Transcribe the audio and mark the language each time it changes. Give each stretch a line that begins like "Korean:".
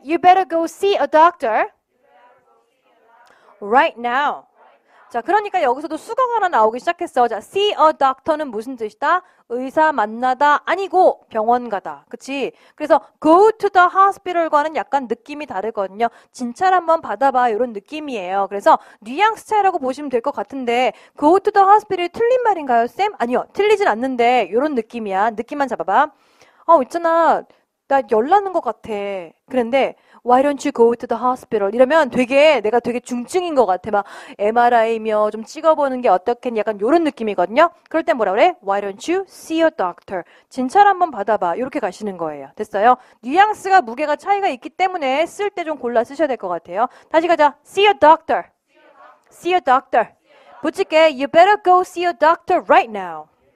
English: You better go see a doctor right now.
Korean: 자, 그러니까 여기서도 수강 하나 나오기 시작했어. 자,
English: see a doctor
Korean: 는 무슨 뜻이다? 의사 만나다 아니고 병원 가다. 그치? 그래서
English: go to the hospital
Korean: 과는 약간 느낌이 다르거든요. 진찰 한번 받아봐. 이런 느낌이에요. 그래서 뉘앙스 차이라고 보시면 될 것 같은데
English: go to the hospital
Korean: 이 틀린 말인가요, 쌤? 아니요. 틀리진 않는데 이런 느낌이야. 느낌만 잡아봐. 어, 있잖아. 나 열나는 것 같아. 그런데
English: Why don't you go to the hospital?
Korean: 이러면 되게 내가 되게 중증인 것 같아. 막 MRI며 좀 찍어보는 게 어떻겠니? 약간 이런 느낌이거든요. 그럴 땐 뭐라 그래?
English: Why don't you see a doctor?
Korean: 진찰 한번 받아봐. 이렇게 가시는 거예요. 됐어요? 뉘앙스가 무게가 차이가 있기 때문에 쓸 때 좀 골라 쓰셔야 될 것 같아요. 다시 가자.
English: See a doctor. See a doctor.
Korean: 붙일게.
English: You better go see a doctor right now.